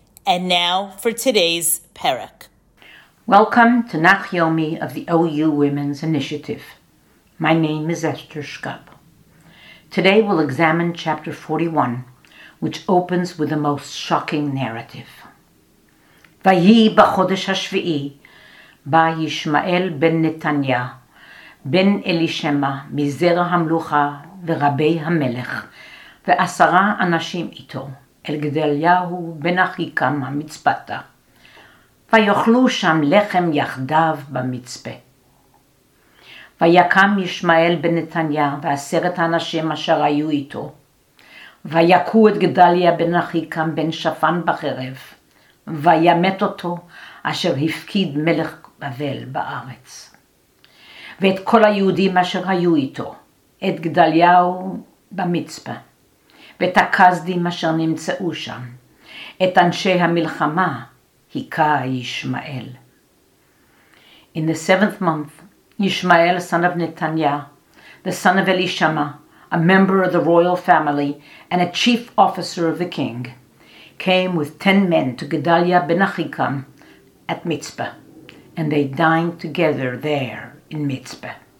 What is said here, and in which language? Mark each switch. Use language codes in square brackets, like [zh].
[en] And now for today's perek. Welcome to Nach Yomi of the OU Women's Initiative. My name is Esther Schkub. Today we'll examine chapter 41, which opens with the most shocking narrative. [he] Vayi b'chodesh ha-shvi'i ba Yishmael ben Netanya ben Elishema mizera hamlucha ורבי המלך, ועשרה אנשים איתו, אל גדליהו בן אחיקם המצפתה, ויאכלו שם לחם יחדיו במצפה. ויקם ישמעאל בן נתניה ועשרת האנשים אשר היו איתו, ויקו את גדליה בן אחיקם בן שפן בחרב, וימת אותו אשר הפקיד מלך בבל בארץ. ואת כל היהודים אשר היו איתו, את גדליהו במצפה, ואת הקסדים אשר נמצאו שם, את אנשי המלחמה, היכה ישמעאל. [en] In the seventh month, Ishmael, son of Netanyah, the son of Elishama, a member of the royal family and a chief officer of the king, came with 10 men to Gedaliah ben Achikam at Mitzpah, and they dined together there in Mitzpah.